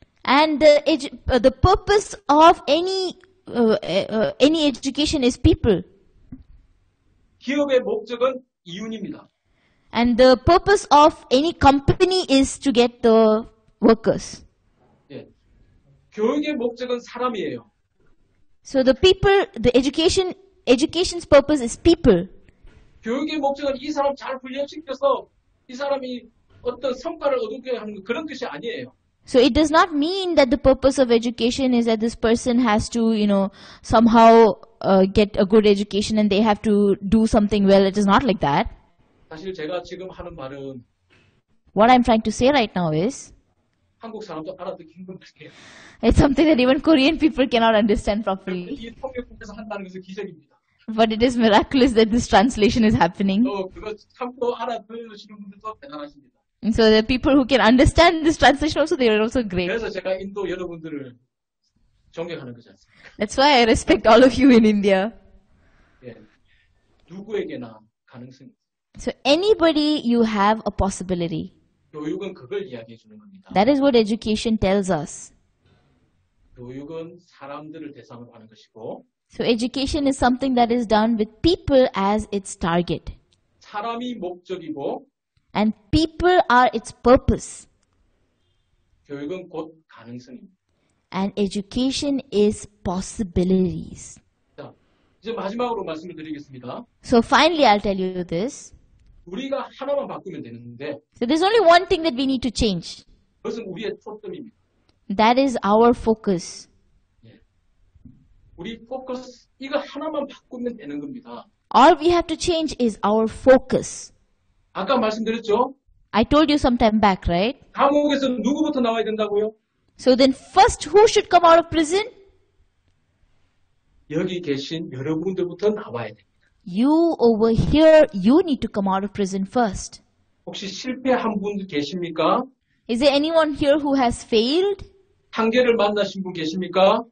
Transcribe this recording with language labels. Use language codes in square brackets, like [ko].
[en] And the purpose of any education is people. [ko] 기업의 목적은 이윤입니다. [en] And the purpose of any company is to get the workers. [ko] 예. 교육의 목적은 사람이에요. [en] So the people, the education's purpose is people. [ko] 교육의 목적은 이 사람 잘 훈련시켜서 이 사람이 어떤 성과를 얻게 하는 그런 뜻이 아니에요. [en] So it does not mean that the purpose of education is that this person has to, you know, somehow get a good education and they have to do something well. It is not like that. [ko] 사실 제가 지금 하는 말은 [en] What I'm trying to say right now is [ko] 한국 사람도 알아듣기 힘든 말이에요. [en] It's something that even Korean people cannot understand properly. [ko] 이 통역국에서 한다는 것은 기적입니다. [en] But it is miraculous that this translation is happening. [ko] 그거 참고 알아들으시는 분들도 대단하십니다. [en] So the people who can understand this translation also, they are also great. [ko] 그래서 제가 인도 여러분들을 존경하는 거지 않습니까? [en] That's why I respect all of you in India. [ko] 예, 누구에게나 가능성. [en] So anybody, you have a possibility. [ko] 교육은 그걸 이야기해 주는 겁니다. [en] That is what education tells us. [ko] 교육은 사람들을 대상으로 하는 것이고. [en] So education is something that is done with people as its target. [ko] 사람이 목적이고. [en] And people are its purpose. [ko] 교육은 곧 가능성입니다. [en] And education is possibilities. [ko] 자, 이제 마지막으로 말씀을 드리겠습니다. [en] So finally, I'll tell you this. [ko] 우리가 하나만 바꾸면 되는데. [en] So there's only one thing that we need to change. [ko] 그것은 우리의 초점입니다. [en] That is our focus. [ko] 예. 우리 focus 이거 하나만 바꾸면 되는 겁니다. [en] All we have to change is our focus. [ko] 아까 말씀드렸죠? [en] I told you some time back, right? [ko] 감옥에서 누구부터 나와야 된다고요? [en] So then first, who should come out of prison? [ko] 여기 계신 여러분들부터 나와야 됩니다. [en] You over here, you need to come out of prison first. [ko] 혹시 실패한 분 계십니까? [en] Is there anyone here who has failed? [ko] 한계를 만나신 분 계십니까?